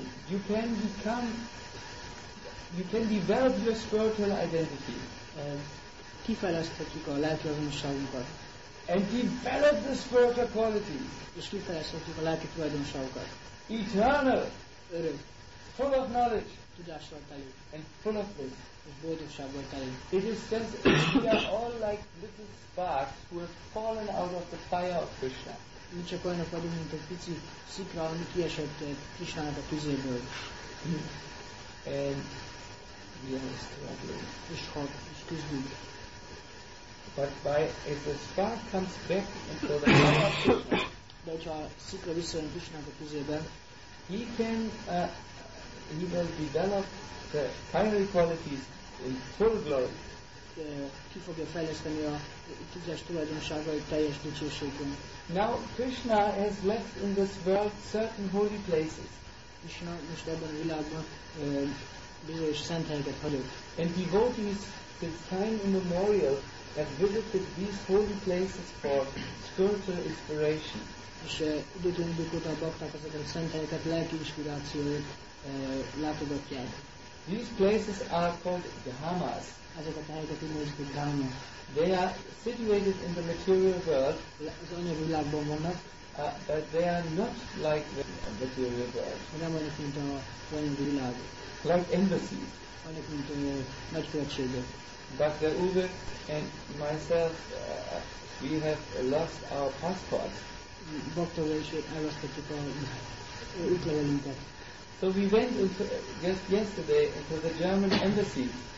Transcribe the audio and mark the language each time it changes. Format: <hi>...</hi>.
<en>You can become, you can develop your spiritual identity.</en> <hu>Kifejleszthetjük a lelki azonosságunkat.</hu> <en>And develop the spiritual qualities.</en> <hu>És kifejleszthetjük a lelki tulajdonságokat.</hu> <en>Eternal.</en> <hu>Örök.</hu> <en>Full of knowledge.</en> <hu>Tudással teli.</hu> <en>And full of bliss.</en> <hu>És boldogsággal teli.</hu> <en>It is just we are all like little sparks who have fallen out of the fire of Krishna.</en> <hu>Mi csak olyanok vagyunk, mint egy pici szikra, ami kiesett Krisnának a tüzéből.</hu> <en>And we are struggling.</en> <hu>És küzdünk.</hu> <en>But by, if the spark comes back into the fire of Krishna,</en> <hu>de hogyha a szikra visszajön Krisnának a tüzében,</hu> <en>he can, he will develop the fiery qualities in full glory.</en> <hu>ki fogja fejleszteni a tízes tulajdonságait teljes dicsőségben.</hu> <en>Now Krishna has left in this world certain holy places.</en> <hu>Krishna most ebben a világban bizonyos szent helyeket hagyott.</hu> <en>And devotees since time immemorial have visited these holy places for spiritual inspiration.</en> <hu>És időtlen idők óta a bakták ezeket a szent helyeket lelki inspirációért látogatják.</hu> <en>These places are called Dhammas.</en> <hu>Ezeket a helyeket úgy nézik, hogy Dhamma.</hu> <en>They are situated in the material world.</en> <hu>Az anyagi világban vannak.</hu> <en>But they are not like the material world.</en> <hu>Nem olyan, mint a anyagi világ.</hu> <en>Like embassies.</en> <hu>Olyan, mint a nagy követségek.</hu> <en>But the Uwe and myself, we have lost our passport.</en> <hu>Baktóra is elvesztettük a útlevelünket.</hu> <en>So we went into, just yesterday to the German embassy.</en>